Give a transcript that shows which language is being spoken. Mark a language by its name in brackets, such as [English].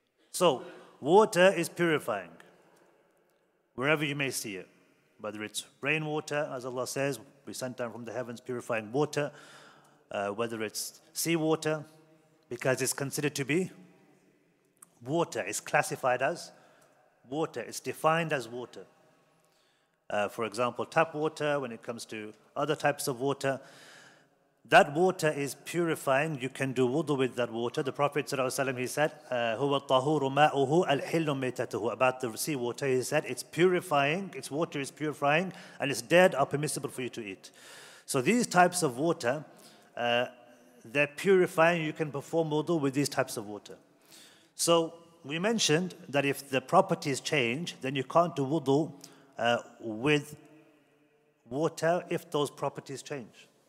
[English] So, water is purifying wherever you may see it, whether it's rainwater, as Allah says, we sent down from the heavens purifying water, whether it's seawater, because it's considered to be water, it's classified as water, it's defined as water. For example, tap water, when it comes to other types of water, that water is purifying, you can do wudu with that water. [Arabic] The Prophet ﷺ, he said, هُوَ الطَّهُورُ مَاءُهُ الْحِلُّ مَيْتَتُهُ. [English] About the sea water, he said, it's purifying, its water is purifying, and its dead are permissible for you to eat. So these types of water, they're purifying, you can perform wudu with these types of water. So we mentioned that if the properties change, then you can't do wudu with water if those properties change.